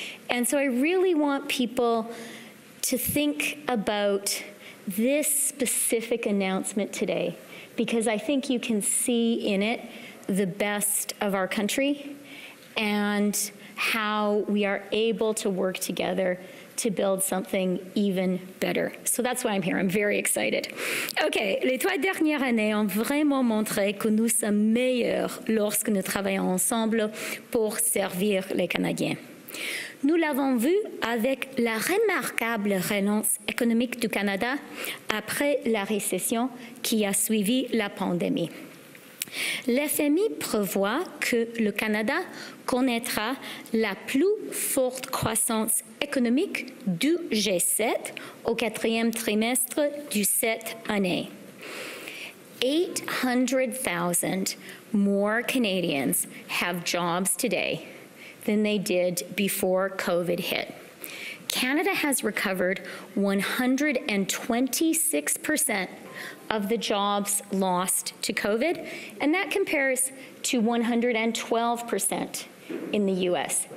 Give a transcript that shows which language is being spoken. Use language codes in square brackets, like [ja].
[en] And so I really want people to think about this specific announcement today, because I think you can see in it the best of our country and how we are able to work together to build something even better. So that's why I'm here. I'm very excited. [fr] Okay, les trois dernières années ont vraiment montré que nous sommes meilleurs lorsque nous travaillons ensemble pour servir les Canadiens. Nous l'avons vu avec la remarquable relance économique du Canada après la récession qui a suivi la pandémie. L'FMI prévoit que le Canada connaîtra la plus forte croissance économique du G7 au quatrième trimestre de cette année. [en] 800,000 more Canadians have jobs today than they did before COVID hit. Canada has recovered 126% of the jobs lost to COVID, and that compares to 112% in the US.